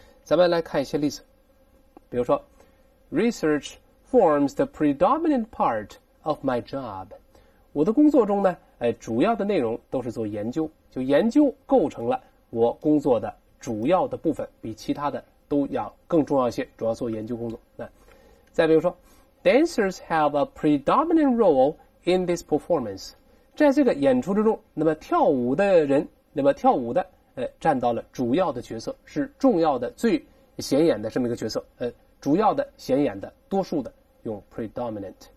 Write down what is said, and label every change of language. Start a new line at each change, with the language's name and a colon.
Chinese: 咱们来看一些例子，比如说
English: ，research forms the predominant part of my job。
Chinese: 我的工作中呢，主要的内容都是做研究，就研究构成了我工作的主要的部分，比其他的都要更重要一些，主要做研究工作。那再比如说。
English: Dancers have a predominant role in this performance.
Chinese: 在这个演出之中，那么跳舞的人，那么跳舞的，占到了主要的角色，是重要的、最显眼的这么一个角色，主要的、显眼的、多数的，用 predominant。